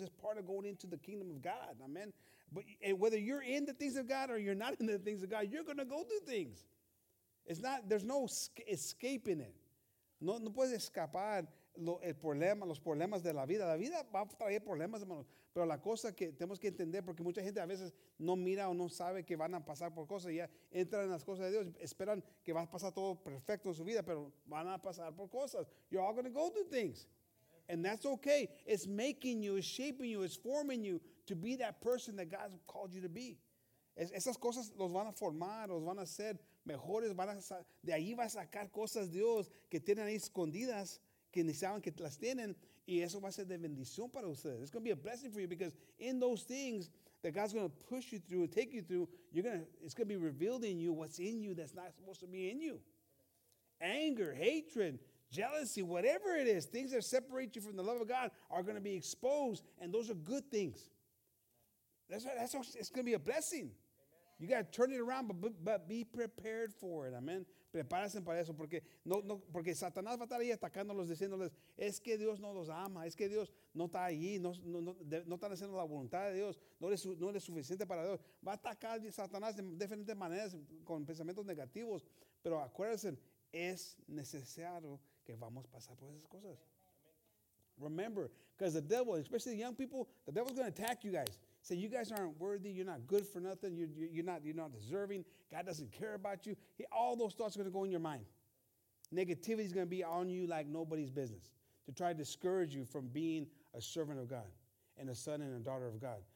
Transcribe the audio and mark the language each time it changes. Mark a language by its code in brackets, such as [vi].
[en] It's part of going into the kingdom of God. Amen. But and whether you're in the things of God or you're not in the things of God, you're going to go through things. It's not, there's no escaping it. [es] No puedes escapar los problemas de la vida. La vida va a traer problemas, hermanos. Pero la cosa que tenemos que entender, porque mucha gente a veces no mira o no sabe que van a pasar por cosas, y ya entran en las cosas de Dios, esperan que va a pasar todo perfecto en su vida, pero van a pasar por cosas. [en] You're all going to go through things. And that's okay. It's making you, it's shaping you, it's forming you to be that person that God called you to be. [es] Esas cosas los van a formar, los van a hacer mejores, de ahí va a sacar cosas Dios que tienen ahí escondidas, que ni saben que las tienen, y eso va a ser de bendición para ustedes. [en] It's going to be a blessing for you because in those things that God's going to push you through and take you through, it's going to be revealed in you what's in you that's not supposed to be in you. Anger, hatred, jealousy, whatever it is, things that separate you from the love of God are going to be exposed, and those are good things. That's it's going to be a blessing. You got to turn it around, but be prepared for it. Amen. [es] Prepárense para eso, porque no porque Satanás va a estar ahí atacándolos, diciéndoles, es que Dios no los ama, es que Dios no está ahí, no están haciendo la voluntad de Dios, no eres suficiente para Dios. Va a atacar a Satanás de diferentes maneras, con pensamientos negativos, pero acuérdense, es necesario que vamos a pasar por esas cosas. [en] Remember, because the devil, especially the young people, the devil's going to attack you guys. Say, you guys aren't worthy. You're not good for nothing. You're not deserving. God doesn't care about you. All those thoughts are going to go in your mind. Negativity is going to be on you like nobody's business to try to discourage you from being a servant of God and a son and a daughter of God.